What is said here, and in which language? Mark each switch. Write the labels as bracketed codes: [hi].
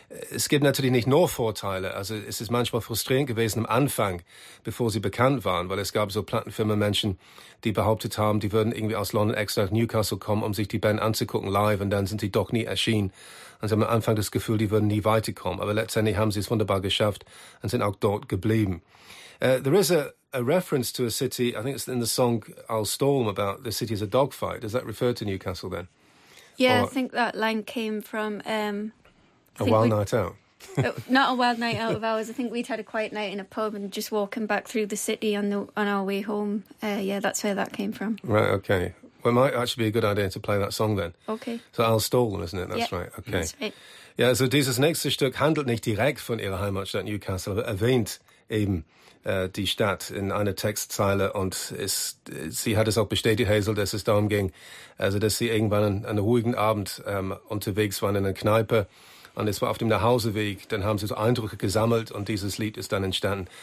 [de] es gibt natürlich nicht nur Vorteile. Also es ist manchmal frustrierend gewesen am Anfang, bevor sie bekannt waren, weil es gab so Plattenfirmenmenschen, die behauptet haben, die würden irgendwie aus London extra nach Newcastle kommen, um sich die Band anzugucken live, und dann sind sie doch nie erschienen. Und sie haben am Anfang das Gefühl, die würden nie weiterkommen. Aber letztendlich haben sie es wunderbar geschafft und sind auch dort geblieben. [en] There is a reference to a city, I think it's in the song I'll Storm, about the city as a dogfight. Does that refer to Newcastle then? Yeah, or, I think that line came from... A Wild Night Out. Not a wild night out of ours. I think we'd had a quiet night in a pub and just walking back through the city on our way home. Yeah, that's where that came from. Right, okay. Well, it might actually be a good idea to play that song then. Okay. So I'll Storm, isn't it? That's yeah, right. Okay. That's right. Yeah, [de] so dieses nächste Stück handelt nicht direkt von ihrer Heimatstadt Newcastle, aber erwähnt eben die Stadt in einer Textzeile, und sie hat es auch bestätigt, Hazel, dass es darum ging, also dass sie irgendwann an einem ruhigen Abend unterwegs waren in einer Kneipe, und es war auf dem Nachhauseweg, dann haben sie so Eindrücke gesammelt und dieses Lied ist dann entstanden.